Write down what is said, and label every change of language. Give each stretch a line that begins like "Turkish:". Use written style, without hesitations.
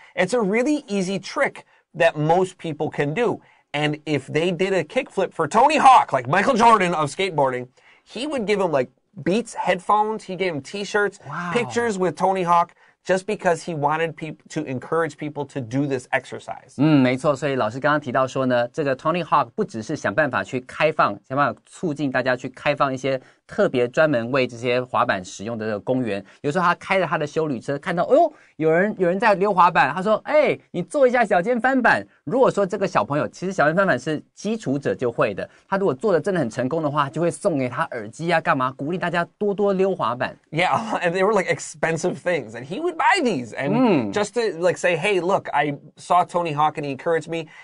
English: It's a really easy trick that most people can do. And if they did a kickflip for Tony Hawk, like Michael Jordan of skateboarding, he would give him like Beats headphones, he gave him t-shirts, pictures with Tony Hawk, just because he wanted to encourage people to do this exercise.
Chinese: 没错，所以老师刚刚提到说呢，这个 Tony Hawk 不只是想办法去开放，想办法促进大家去开放一些特别专门为这些滑板使用的这个公园。有时候他开着他的休旅车，看到哦，有人在溜滑板，他说：“哎，你做一下小尖翻板。” 如果说这个小朋友其实小尖翻板是基础者就会的，他如果做的真的很成功的话，就会送给他耳机啊，干嘛鼓励大家多多溜滑板。
English: Yeah, and they were like expensive things, and he would buy these and just to like say, "Hey, look, I saw Tony Hawk and he encouraged me."